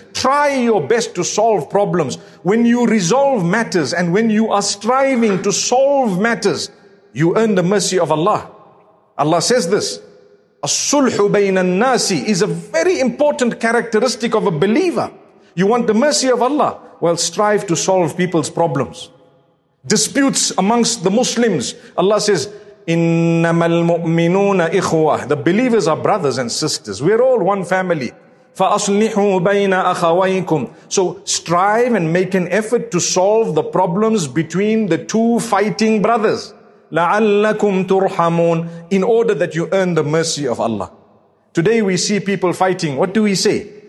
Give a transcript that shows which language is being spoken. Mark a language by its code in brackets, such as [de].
[en] Try your best to solve problems. When you resolve matters and when you are striving to solve matters, you earn the mercy of Allah. Allah says this. As-sulhu bayna an-nasi is a very important characteristic of a believer. You want the mercy of Allah? Well, strive to solve people's problems. Disputes amongst the Muslims. Allah says, [ar] إِنَّمَا الْمُؤْمِنُونَ إِخْوَةٌ. [en] The believers are brothers and sisters. We're all one family. [ar] فَأَصْلِحُوا بَيْنَ أَخَوَيْكُمْ. [en] So strive and make an effort to solve the problems between the two fighting brothers. [ar] لَعَلَّكُمْ تُرْحَمُونَ. [en] In order that you earn the mercy of Allah. Today we see people fighting. What do we say?